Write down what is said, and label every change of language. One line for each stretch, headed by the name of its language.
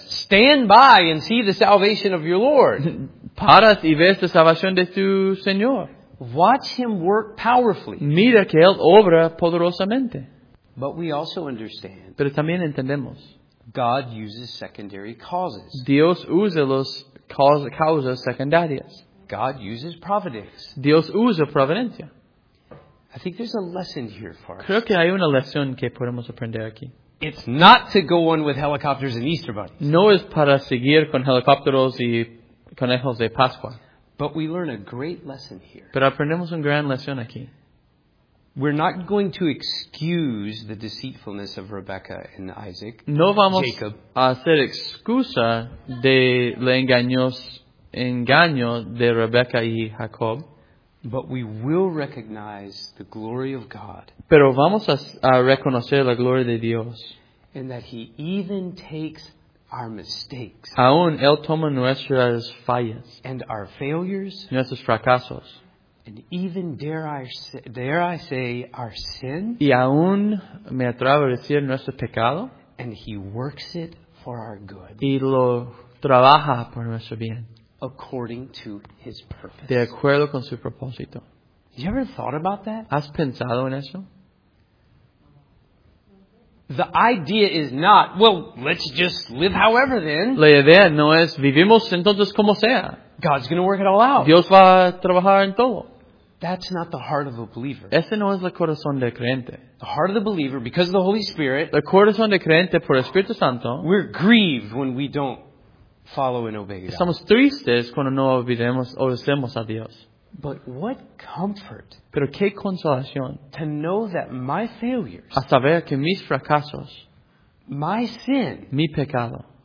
English: Stand by and see the salvation of your Lord.
Spanish: Paras y ves la salvación de tu Señor.
English: Watch him work powerfully.
Spanish: Mira que él obra poderosamente.
English: But we also understand.
Spanish: Pero también entendemos.
English: God uses secondary causes.
Spanish: Dios usa las causas secundarias.
English: God uses providence.
Spanish: Dios usa providencia.
English: I think there's a lesson here for us.
Spanish: Creo que hay una lección que podemos aprender aquí.
English: It's not to go on with helicopters and Easter bunnies.
Spanish: No es para seguir con helicópteros y conejos de Pascua.
English: But we learn a great lesson here.
Spanish: Pero aprendemos una gran lección aquí.
English: We're not going to excuse the deceitfulness of Rebecca and Isaac.
Spanish: No vamos
English: Jacob.
Spanish: A hacer excusa de la engaño de Rebecca y Jacob.
English: But we will recognize the glory of God.
Spanish: Pero vamos a reconocer la gloria de Dios.
English: And that he even takes our mistakes.
Spanish: Aún él toma nuestras fallas.
English: And our failures.
Spanish: Nuestros fracasos.
English: And even dare I say our sin?
Spanish: Y aún me atrevo a decir nuestro pecado.
English: And he works it for our good.
Spanish: Y lo trabaja por nuestro bien.
English: According to his purpose.
Spanish: De acuerdo con su propósito.
English: You ever thought about that?
Spanish: ¿Has pensado en eso?
English: The idea is not, well, let's just live however then.
Spanish: La idea no es vivimos entonces como sea.
English: God's going to work it all out.
Spanish: Dios va a trabajar en todo.
English: That's not the heart of a believer.
Spanish: Ese no es el corazón del creyente.
English: The heart of the believer, because of the Holy Spirit.
Spanish: El corazón del creyente por el Espíritu Santo.
English: We're grieved when we don't follow and obey God.
Spanish: Estamos tristes cuando no obedecemos a Dios.
English: But what comfort.
Spanish: Pero qué consolación.
English: To know that my failures.
Spanish: A saber que mis fracasos.
English: My sin.
Spanish: Mi pecado.